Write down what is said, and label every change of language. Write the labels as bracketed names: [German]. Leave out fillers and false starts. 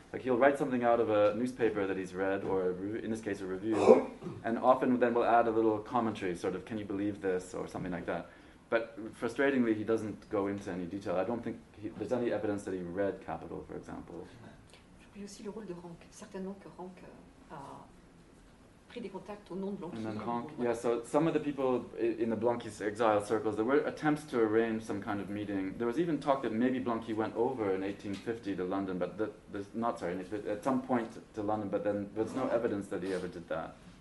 [English] Like he'll write something out of a newspaper that he's read, or in this case a review, and often then will add a little commentary, sort of, can you believe this, or something like that. But frustratingly, he doesn't go into any detail. I don't think there's any evidence that he read Capital, for example. [French] J'oublie aussi le rôle de Rank. Certainement que Rank a pris des contacts au nom de Blanqui. [English] And then Rank, yeah, so some of the people in the Blanqui's exile circles, there were attempts to arrange some kind of meeting. There was even talk that maybe Blanqui went over in 1850 to London, but at some point to London, but then there's no evidence that he ever did that.